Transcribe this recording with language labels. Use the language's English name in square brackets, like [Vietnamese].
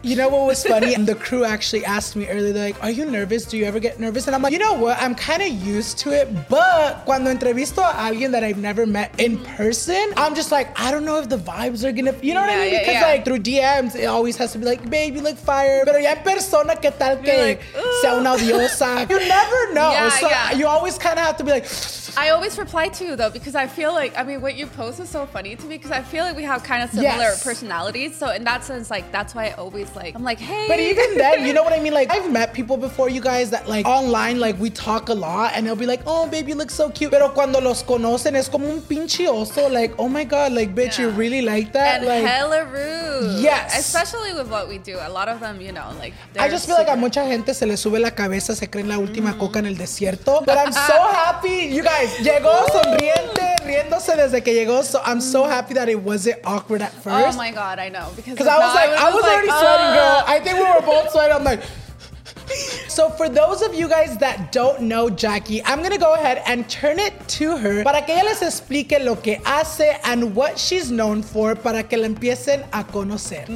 [English] you know what was funny? And the crew actually asked me earlier, they're like, are you nervous? Do you ever get nervous? And I'm like, you know what? I'm kind of used to it, but [Spanish] cuando entrevisto a alguien [English] that I've never met in person, I'm just like, I don't know if the vibes are gonna, you know what I mean? Because like through DMs, it always has to be like, babe, you look fire. [Spanish] Pero ya persona que tal que sea una diosa. [English] You never know. You always kind of have to be like, I always reply to you though, because I feel like, I mean, what you post is so funny to me, because I feel like we have kind of similar personalities. So in that sense, like, that's why I always like, I'm like, hey. But even then, you know what I mean? Like, I've met people before, you guys, that like online, like we talk a lot and they'll be like, oh, babe, you look so cute. [Spanish] Pero cuando los conocen, es como un pinche oso. [English] Like, oh my God, like, bitch, you really like that? And like, hella rude. Yes. Especially with what we do. A lot of them, you know, like, I just feel like [Spanish] a mucha gente se le sube la cabeza, se creen la última coca en el desierto. [English] But I'm so happy, you guys. [Spanish] Llegó sonriente, riéndose desde que llegó. [English] So I'm so happy that it wasn't awkward at first. Oh my God, I know. Because I was like, I was already sweating, girl. I think we were both sweating. I'm like, so for those of you guys that don't know Jackie, I'm gonna go ahead and turn it to her [Spanish] para que ella les explique lo que hace [English] and what she's known for [Spanish] para que la empiecen a conocer.